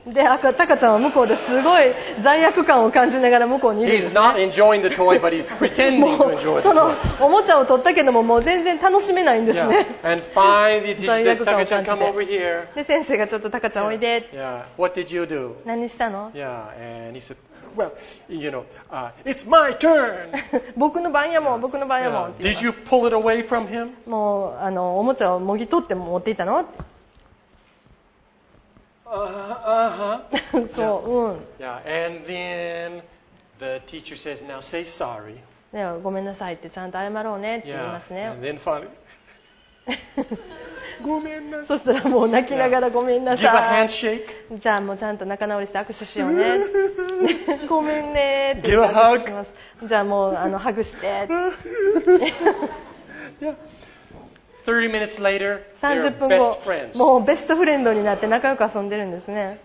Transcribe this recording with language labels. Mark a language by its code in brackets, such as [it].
[ja] で、タカちゃんは向こうですごい罪悪感を感じながら向こうにいる。 [en] He's not enjoying the toy, but he's pretending to enjoy the toy. [ja] そのおもちゃを取ったけども、もう全然楽しめないんですね。 [en] Yeah. And finally, the teacher says, タカちゃん come over here. [ja] で先生がちょっとタカちゃんおいで。 [en] Yeah. Yeah. What did you do? [ja] 何したの？ [en] Yeah. And he said,Well, you know, it's my turn. [ja] 僕の番やもん、僕の番やもん。 [en] Did you pull it away from him? [ja] もうおもちゃをもぎ取って持っていたの？そう、 [en] yeah. [ja] うん。 [en] Yeah. And then the teacher says, "Now say sorry." [ja] ではごめんなさいってちゃんと謝ろうねって言いますね。 [en] Yeah. And then finally, [ja] ごめんなさい。そしたらもう泣きながらごめんなさい。 [en] Yeah. Give a handshake. [ja] じゃあもうちゃんと仲直りして握手しようね。ごめんねーって言います。 [en] Give a hug. [ja] じゃあもうハグして。 [en] 30 minutes later, [ja] 30分後、もうベストフレンドになって仲良く遊んでるんですね。